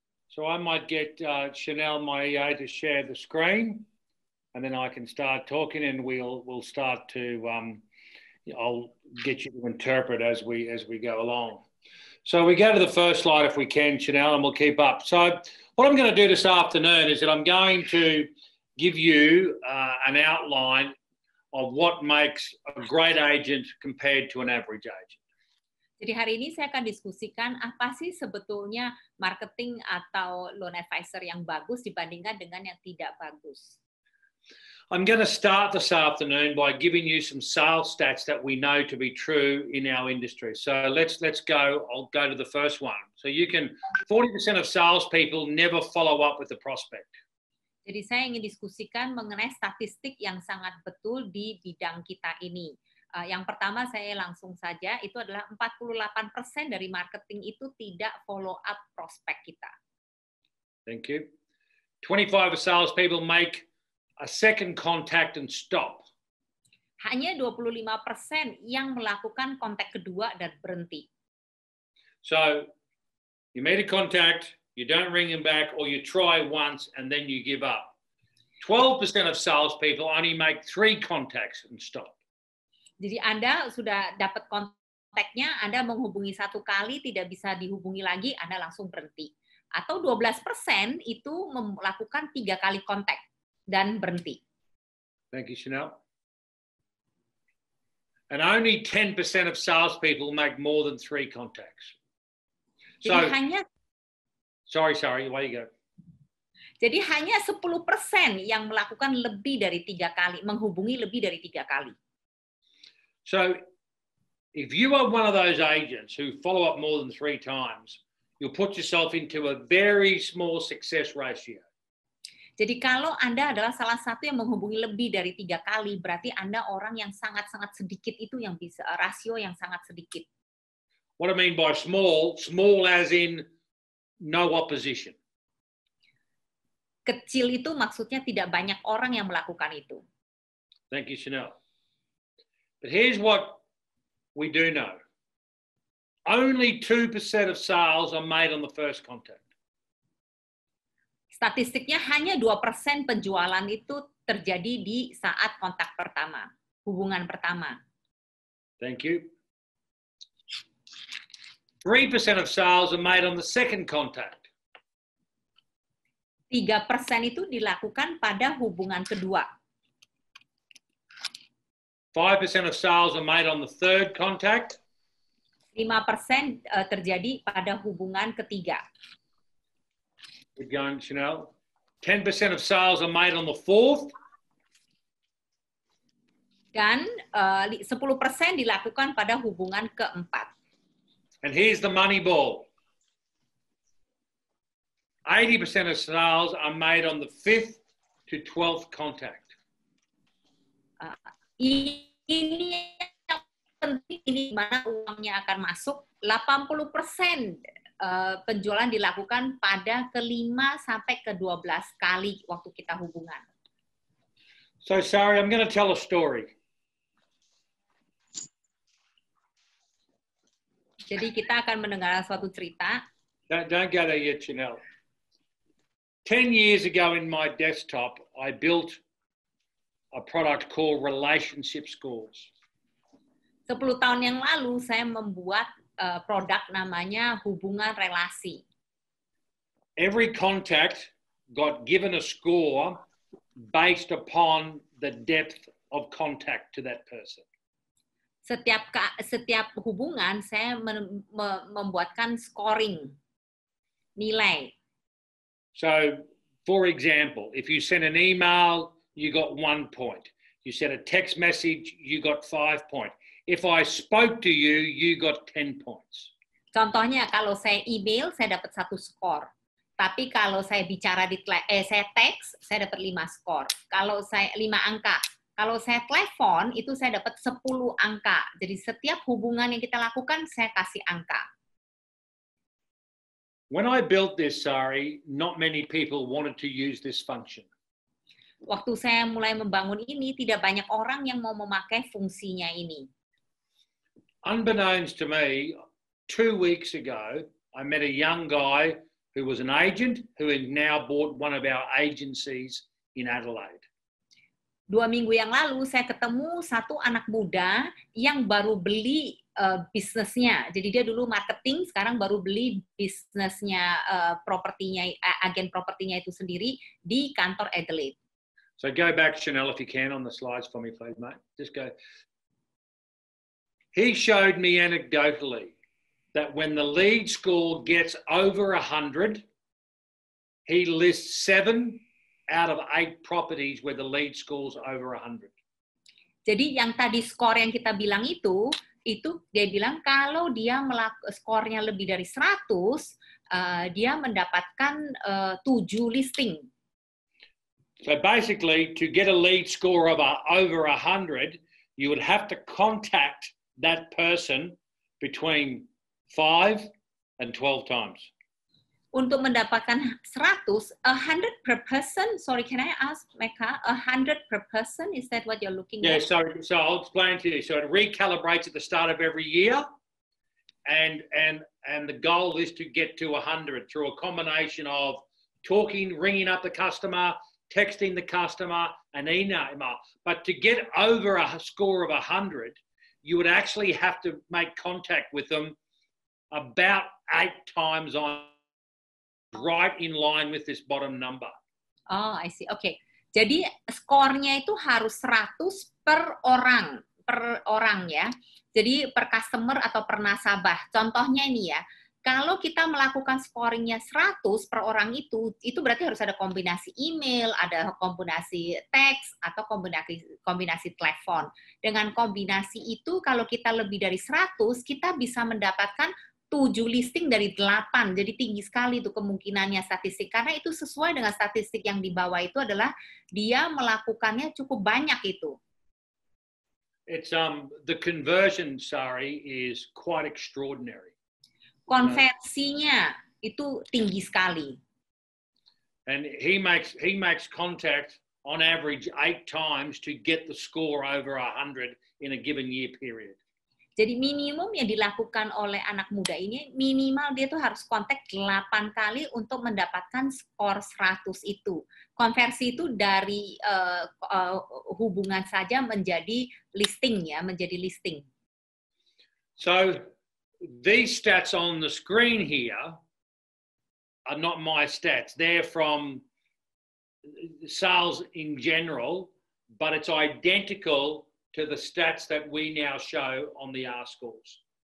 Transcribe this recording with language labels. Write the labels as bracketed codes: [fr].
[en] So I might get Chanel Maia to share the screen, and then I can start talking, and we'll start to I'll get you to interpret as we go along. So we go to the first slide if we can, Chanel, and we'll keep up. So what I'm going to do this afternoon is that I'm going to give you an outline of what makes a great agent compared to an average agent. [id] Jadi hari ini saya akan diskusikan apa sih sebetulnya marketing atau loan advisor yang bagus dibandingkan dengan yang tidak bagus. [en] I'm going to start this afternoon by giving you some sales stats that we know to be true in our industry. So let's go. I'll go to the first one. So you can, 40% of salespeople never follow up with the prospect. [id] Jadi saya ingin diskusikan mengenai statistik yang sangat betul di bidang kita ini. Yang pertama saya langsung saja, itu adalah 48% dari marketing itu tidak follow up prospek kita. [en] Thank you. 25% of salespeople make a second contact and stop. [id] Hanya 25% yang melakukan kontak kedua dan berhenti. [en] So, you made a contact, you don't ring him back, or you try once and then you give up. 12% of salespeople only make 3 contacts and stop. [id] Jadi Anda sudah dapat kontaknya, Anda menghubungi satu kali, tidak bisa dihubungi lagi, Anda langsung berhenti. Atau 12% itu melakukan 3 kali kontak dan berhenti. [en] Thank you, Chanel. And only 10% of salespeople make more than 3 contacts. [id] Jadi hanya 10% yang melakukan lebih dari 3 kali, menghubungi lebih dari 3 kali. [en] So, if you are one of those agents who follow up more than 3 times, you'll put yourself into a very small success ratio. [id] Jadi kalau Anda adalah salah satu yang menghubungi lebih dari 3 kali, berarti Anda orang yang sangat-sangat sedikit itu yang bisa, rasio yang sangat sedikit. [en] What I mean by small, small as in no opposition. [id] Kecil itu maksudnya tidak banyak orang yang melakukan itu. [en] Thank you, Chanel. But here's what we do know. Only 2% of sales are made on the first contact. [id] Statistiknya hanya 2% penjualan itu terjadi di saat kontak pertama, hubungan pertama. [en] Thank you. 3% of sales are made on the second contact. [id] 3% itu dilakukan pada hubungan kedua. [en] 5% of sales are made on the third contact. [id] 5% terjadi pada hubungan ketiga. [en] Good going, Chanel. 10% of sales are made on the fourth. [id] Dan 10% dilakukan pada hubungan keempat. [en] And here's the money ball. 80% of sales are made on the fifth to twelfth contact. [id] Ini yang penting, ini mana uangnya akan masuk. 80% penjualan dilakukan pada kelima sampai ke-12 kali waktu kita hubungan. [en] So sorry, I'm going to tell a story. [id] Jadi kita akan mendengar suatu cerita. [en] Don't get it yet, Chanel. 10 years ago in my desktop, I built a product called Relationship Scores. [id] 10 tahun yang lalu saya membuat produk namanya Hubungan Relasi. [en] Every contact got given a score based upon the depth of contact to that person. [id] Setiap hubungan saya membuatkan scoring nilai. [en] So, for example, if you send an email, you got 1 point. You sent a text message, you got 5 points. If I spoke to you, you got 10 points. [id] Contohnya, kalau saya email, saya dapat 1 skor. Tapi kalau saya bicara di saya teks, saya dapat 5 skor. Kalau saya 5 angka. Kalau saya telepon, itu saya dapat 10 angka. Jadi setiap hubungan yang kita lakukan, saya kasih angka. [en] When I built this, sorry, not many people wanted to use this function. [id] Waktu saya mulai membangun ini, tidak banyak orang yang mau memakai fungsinya ini. [en] Unbeknownst to me, 2 weeks ago, I met a young guy who was an agent who has now bought one of our agencies in Adelaide. [id] 2 minggu yang lalu, saya ketemu satu anak muda yang baru beli bisnisnya. Jadi dia dulu marketing, sekarang baru beli bisnisnya, propertinya, agen propertinya itu sendiri di kantor Adelaide. [en] So go back, Chanel, if you can, on the slides for me, please, mate. Just go. He showed me anecdotally that when the lead score gets over 100, he lists 7 out of 8 properties where the lead score's over 100. [id] Jadi yang tadi skor yang kita bilang itu dia bilang kalau dia skornya lebih dari 100, dia mendapatkan 7 listing. [en] So basically, to get a lead score of over 100, you would have to contact that person between 5 and 12 times. [id] Untuk mendapatkan 100, [en] 100 per person, sorry, can I ask, Mecca, 100 per person, is that what you're looking yeah, at? Yeah, so I'll explain to you. So it recalibrates at the start of every year, and the goal is to get to 100 through a combination of talking, ringing up the customer, texting the customer, and email. But to get over a score of 100, you would actually have to make contact with them about 8 times on. Right in line with this bottom number. Oh, I see. Okay. [id] Jadi skornya itu harus 100 per orang ya. Jadi per customer atau per nasabah. Contohnya ini ya. Kalau kita melakukan scoringnya 100 per orang itu berarti harus ada kombinasi email, ada kombinasi teks, atau kombinasi telepon. Dengan kombinasi itu, kalau kita lebih dari 100, kita bisa mendapatkan 7 listing dari 8, jadi tinggi sekali itu kemungkinannya statistik, karena itu sesuai dengan statistik yang di bawah itu adalah dia melakukannya cukup banyak itu. [en] It's the conversion, sorry, is quite extraordinary. [id] Konversinya itu tinggi sekali. [en] And he makes contact on average 8 times to get the score over 100 in a given year period. [id] Jadi minimum yang dilakukan oleh anak muda ini, minimal dia tuh harus kontak 8 kali untuk mendapatkan skor 100 itu. Konversi itu dari hubungan saja menjadi listing ya, menjadi listing. [en] So, these stats on the screen here are not my stats. They're from sales in general, but it's identical to the stats that we now show on the R scores.